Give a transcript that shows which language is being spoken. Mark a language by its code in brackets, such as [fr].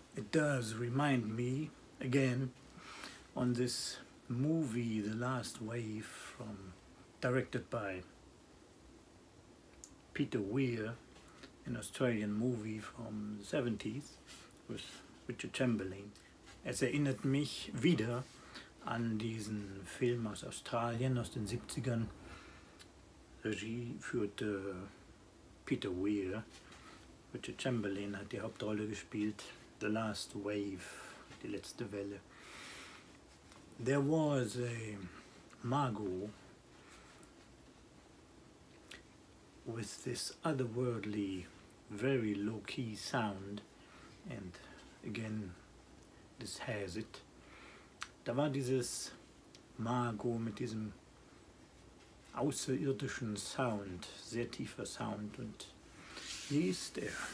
[en] Does remind me again on this movie The Last Wave, from directed by Peter Weir, an Australian movie from the 70s with Richard Chamberlain. [de] Es erinnert mich wieder an diesen Film aus Australien aus den 70ern. Regie führte Peter Weir. Richard Chamberlain hat die Hauptrolle gespielt. The Last Wave, die letzte Welle. [en] There was a Mago with this otherworldly, very low-key sound and again, this has it. [de] Da war dieses Mago mit diesem außerirdischen Sound, sehr tiefer Sound, und hier ist er.